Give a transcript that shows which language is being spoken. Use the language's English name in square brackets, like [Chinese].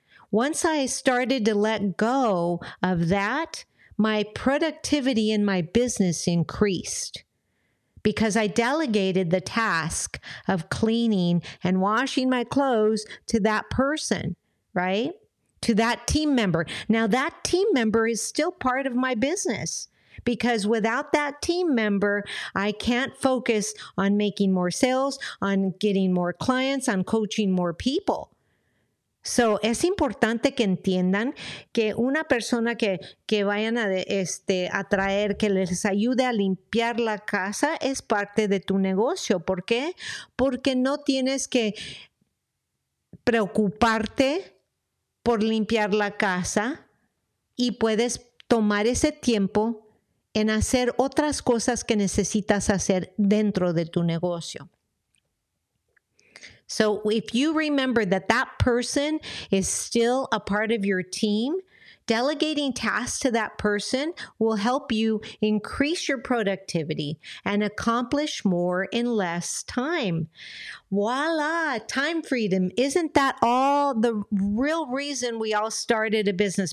[English] Once I started to let go of that, my productivity in my business increased because I delegated the task of cleaning and washing my clothes to that person, right? To that team member. Now, that team member is still part of my business because without that team member, I can't focus on making more sales, on getting more clients, on coaching more people. So, [Spanish] es importante que entiendan que una persona que vayan a atraer, que les ayude a limpiar la casa, es parte de tu negocio. ¿Por qué? Porque no tienes que preocuparte por limpiar la casa y puedes tomar ese tiempo en hacer otras cosas que necesitas hacer dentro de tu negocio. [English] So if you remember that that person is still a part of your team, delegating tasks to that person will help you increase your productivity and accomplish more in less time. Voila, time freedom. Isn't that all the real reason we all started a business?